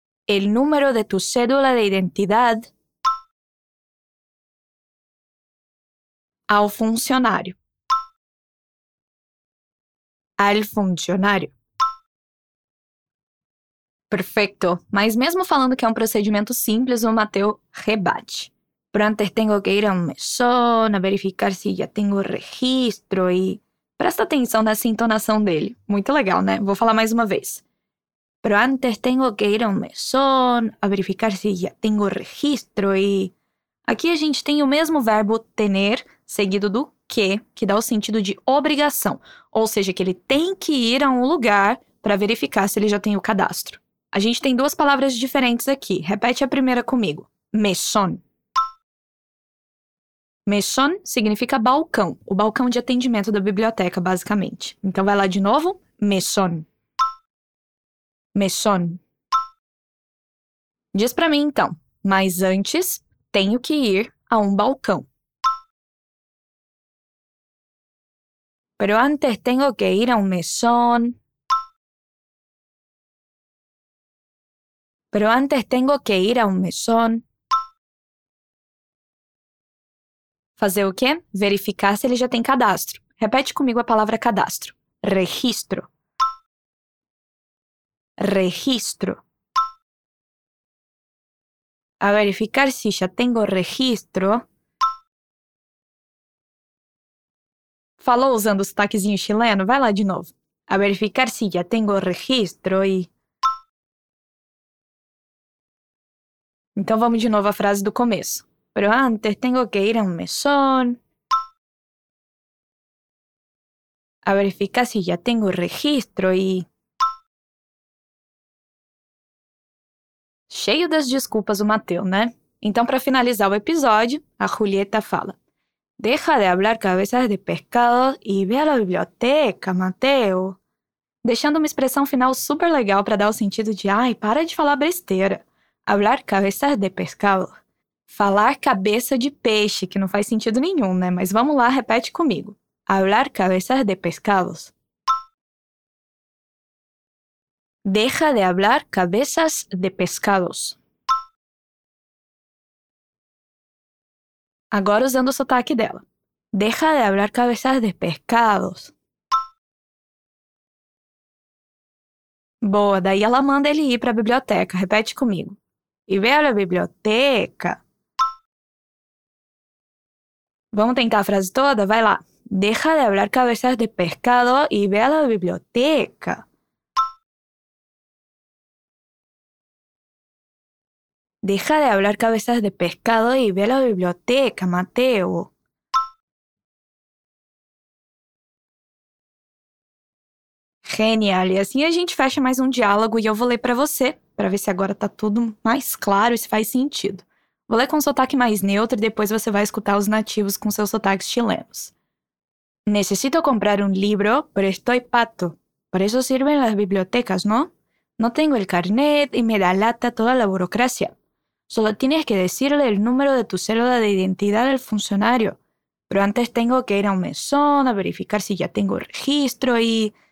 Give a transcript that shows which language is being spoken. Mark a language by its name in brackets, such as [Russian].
[Spanish] El número de tu cédula de identidad [Portuguese] ao funcionário. [Spanish] Al funcionário. [Portuguese] Perfeito. Mas mesmo falando que é um procedimento simples, o Mateu rebate. [Spanish] Pero antes tengo que ir a un mesón a verificar si ya tengo registro y... [Portuguese] Presta atenção nessa entonação dele. Muito legal, né? Vou falar mais uma vez. [Spanish] Pero antes tengo que ir a un mesón a verificar si ya tengo registro y... [Portuguese] Aqui a gente tem o mesmo verbo tener seguido do que dá o sentido de obrigação, ou seja, que ele tem que ir a um lugar para verificar se ele já tem o cadastro. A gente tem duas palavras diferentes aqui. Repete a primeira comigo. [Spanish] Mesón. [Portuguese] Mesón significa balcão, o balcão de atendimento da biblioteca, basicamente. Então, vai lá de novo. Mesón. Mesón. Diz para mim, então, mas antes, tenho que ir a um balcão. [Spanish] Pero antes tengo que ir a un mesón. Pero antes tengo que ir a un mesón. [Portuguese] Fazer o quê? Verificar se ele já tem cadastro. Repete comigo a palavra cadastro. Registro. [Spanish] registro. A verificar si ya tengo registro. [Portuguese] Falou usando o sotaquezinho chileno? Vai lá de novo. [Spanish] A verificar si ya tengo registro y... [Portuguese] Então vamos de novo a frase do começo. [Spanish] Pero antes tengo que ir a un mesón. A verificar si ya tengo registro y... [Portuguese] Cheio das desculpas o Mateo, né? Então para finalizar o episódio, a Julieta fala. [Spanish] Deja de hablar cabezas de pescado y ve a la biblioteca, Mateo. [Portuguese] Deixando uma expressão final super legal para dar o sentido de ai, para de falar besteira. [Spanish] Hablar cabezas de pescado. [Portuguese] Falar cabeça de peixe, que não faz sentido nenhum, né? Mas vamos lá, repete comigo. [Spanish] Hablar cabezas de pescados. Deja de hablar cabezas de pescados. [Portuguese] Agora usando o sotaque dela. [Spanish] Deja de hablar cabezas de pescados. [Portuguese] Boa, daí ela manda ele ir para a biblioteca. Repete comigo. E vê a biblioteca. Vamos tentar a frase toda? Vai lá. [Spanish] Deja de hablar cabezas de pescado y ve a la biblioteca. Deja de hablar cabezas de pescado y ve a la biblioteca, Mateo. [Portuguese] Genial! E assim a gente fecha mais um diálogo e eu vou ler para você, para ver se agora tá tudo mais claro e se faz sentido. Vou ler com um sotaque mais neutro e depois você vai escutar os nativos com seus sotaques chilenos. [Spanish] Necesito comprar un libro, pero estoy pato. Por eso sirven las bibliotecas, ¿no? No tengo el carnet y me da lata toda la burocracia. Solo tienes que decirle el número de tu cédula de identidad al funcionario. Pero antes tengo que ir a un mesón a verificar si ya tengo registro y...